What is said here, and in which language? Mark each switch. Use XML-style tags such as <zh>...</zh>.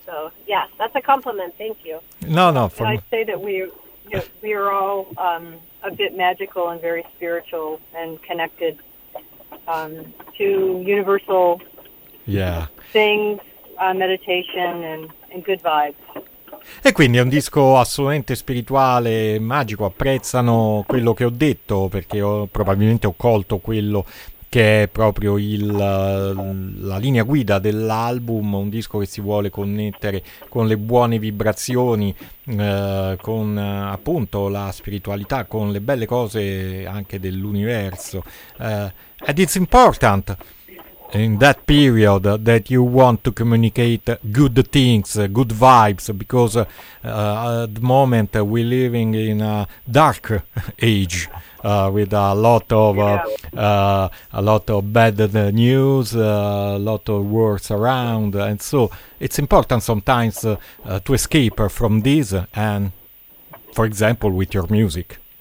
<en>So, yes, that's a compliment. Thank you. No. I'd say that we are all a bit magical and very spiritual and connected to universal things, meditation, and good vibes.</en> <it>E quindi è un disco assolutamente spirituale, magico. Apprezzano quello che ho detto, perché probabilmente ho colto quello che è proprio la linea guida dell'album, un disco che si vuole connettere con le buone vibrazioni, con appunto la spiritualità, con le belle cose anche dell'universo.</it> <en>And it's important in that period that you want to communicate good things, good vibes, because at the moment we're living in a dark age with a lot of bad news, a lot of wars around, and so it's important sometimes to escape from this, and for example with your music.</en>